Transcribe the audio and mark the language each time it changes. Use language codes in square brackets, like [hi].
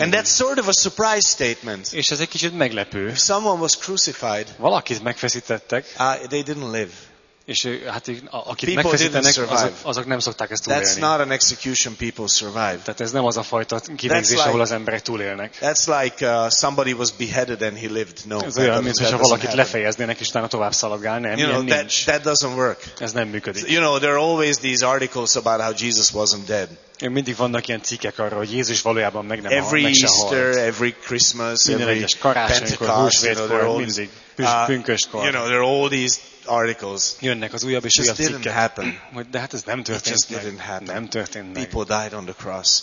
[en] And that's sort of a surprise statement. [hu] És ez egy kicsit meglepő. [en] If someone was crucified, [hu] valakit megfeszítettek, [en] they didn't live. [hu] És hát akik megfeszítenek, azok nem szokták ezt túlélni. [en] That's not an execution, people survive. [hu] Tehát ez nem az a fajta kivégzés, ahol az emberek túlélnek. [en] That's like somebody was beheaded and he lived. No. [hu] Ez olyan, mintha valakit lefejeznének és utána tovább szaladgál, nem, [en] you know, [hu] nincs. [en] That doesn't work. [hu] Ez nem működik. [en] You know, there are always these articles about how Jesus wasn't dead. [hu] Mindig vannak ilyen cikkek arra, hogy Jézus valójában meg nem halt, meg se halt. [en] Every Easter, every Christmas, every [hu] Pentecost, mindig pünköstkor. [en] You know, there are all these articles. [hu] Jönnek az újabb és újabb cikkek. [en] Didn't happen. [hu] De hát ez nem történt. [en] It just didn't happen. [hu] Nem történt meg. [en] People died on the cross.